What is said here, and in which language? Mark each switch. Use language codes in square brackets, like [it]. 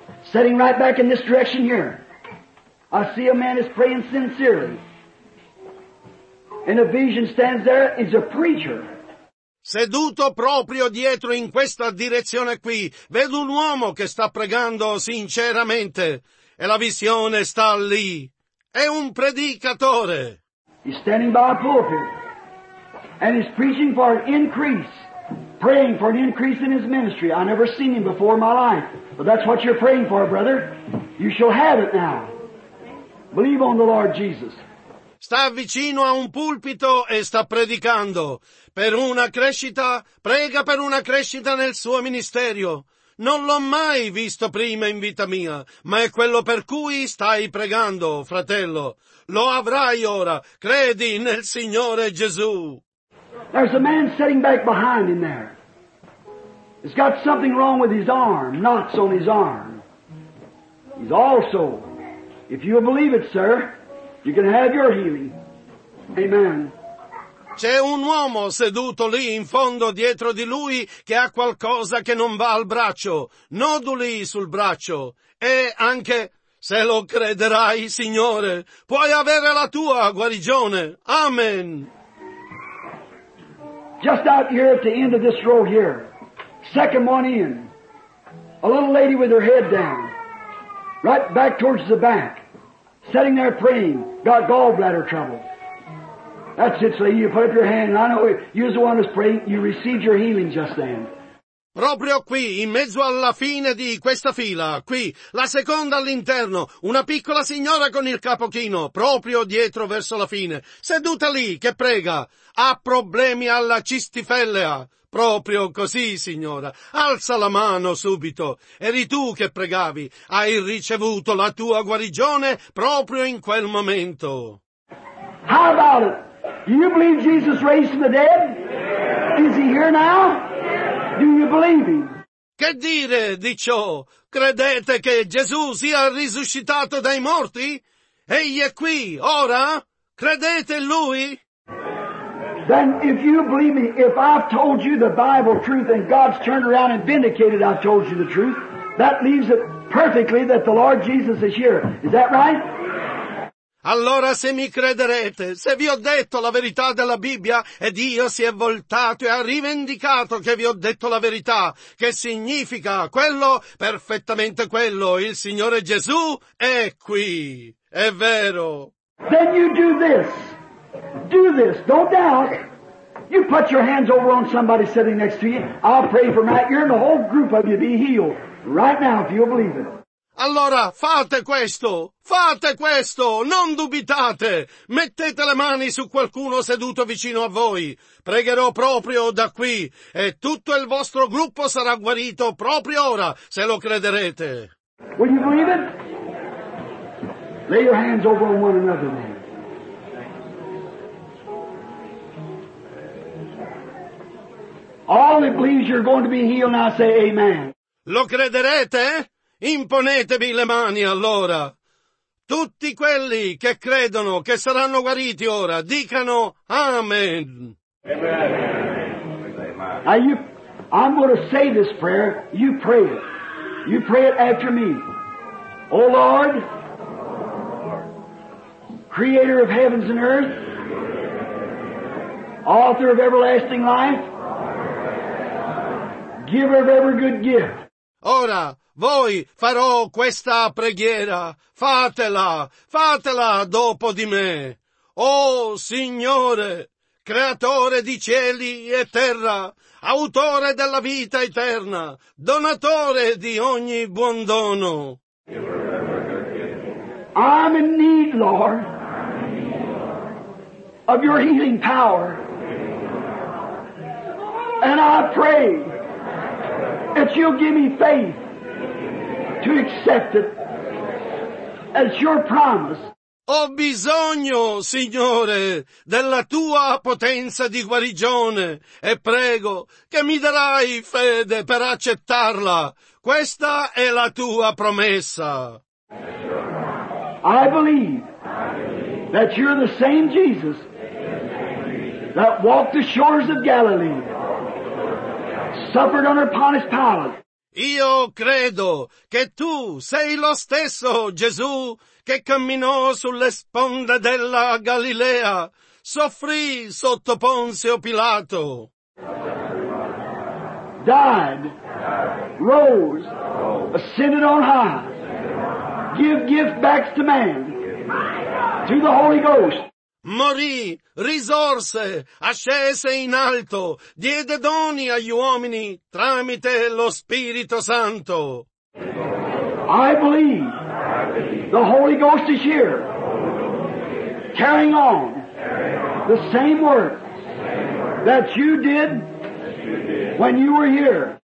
[en] Sitting right back in this direction here. I see a man is praying sincerely. And a vision stands there, is a preacher. [it] Seduto proprio dietro in questa direzione qui, vedo un uomo che sta pregando sinceramente, e la visione sta lì. È un predicatore. [en] He's standing by a pulpit, and he's preaching for an increase, praying for an increase in his ministry. I've never seen him before in my life, but that's what you're praying for, brother. You shall have it now. Believe on the Lord Jesus. [it] Sta vicino a un pulpito e sta predicando. Per una crescita, prega per una crescita nel suo ministerio. Non l'ho mai visto prima in vita mia, ma è quello per cui stai pregando, fratello. Lo avrai ora. Credi nel Signore Gesù. [en] There's a man sitting back behind him there. He's got something wrong with his arm, knots on his arm. He's also, if you believe it, sir, you can have your healing. Amen. [it] C'è un uomo seduto lì in fondo dietro di lui che ha qualcosa che non va al braccio. Noduli sul braccio. E anche, se lo crederai, Signore, puoi avere la tua guarigione. Amen. [en] Just out here at the end of this row here. Second one in. A little lady with her head down, right back towards the back, sitting there praying, got gallbladder trouble. That's it, so you put up your hand, and I know you're the one who's praying, you received your healing just then. [it] Proprio qui, in mezzo alla fine di questa fila, qui, la seconda all'interno, una piccola signora con il capochino, proprio dietro verso la fine, seduta lì, che prega, ha problemi alla cistifellea, proprio così, signora, alza la mano subito, eri tu che pregavi, hai ricevuto la tua guarigione proprio in quel momento. [en] How about it? You believe Jesus raised from the dead? Is he here now? Do you believe him? [it] Che dire di ciò? Credete che Gesù sia risuscitato dai morti? Egli è qui, ora? Credete in lui? [en] Then if you believe me, if I've told you the Bible truth and God's turned around and vindicated I've told you the truth, that leaves it perfectly that the Lord Jesus is here. Is that right? [it] Allora se mi crederete, se vi ho detto la verità della Bibbia e Dio si è voltato e ha rivendicato che vi ho detto la verità, che significa quello, perfettamente quello, il Signore Gesù è qui, è vero. [en] Then you do this, don't doubt, you put your hands over on somebody sitting next to you, I'll pray for Matt, you're in the whole group of you, be healed, right now if you believe it. [it] Allora, fate questo, non dubitate, mettete le mani su qualcuno seduto vicino a voi, pregherò proprio da qui, e tutto il vostro gruppo sarà guarito proprio ora, se lo crederete. [en] Will you believe it? Lay your hands over on one another, man. All that believes you're going to be healed now, say amen. [it] Lo crederete? Imponetevi le mani allora. Tutti quelli che credono che saranno guariti ora, dicano Amen. Amen. [en] Now you, I'm going to say this prayer. You pray it. You pray it after me. O Lord, Creator of heavens and earth, Author of everlasting life, Giver of every good gift. [it] Ora, voi farò questa preghiera, fatela, fatela dopo di me. O Signore, creatore di cieli e terra, autore della vita eterna, donatore di ogni buon dono. [en] I'm in need, Lord, of your healing power. And I pray that you'll give me faith to accept it as your promise. [it] Ho bisogno, Signore, della tua potenza di guarigione e prego che mi darai fede per accettarla. Questa è la tua promessa. [en] I believe that you're the same Jesus that walked the shores of Galilee, suffered under Pontius Pilate. [it] Io credo che tu sei lo stesso Gesù che camminò sulle sponde della Galilea, soffrì sotto Ponzio Pilato. [en] Died, rose, ascended on high, give gift back to man, to the Holy Ghost. [it] Morì, risorse, ascese in alto, diede doni agli uomini tramite lo Spirito Santo. [en] I believe the Holy Ghost is here, carrying on the same work that you did when you were here.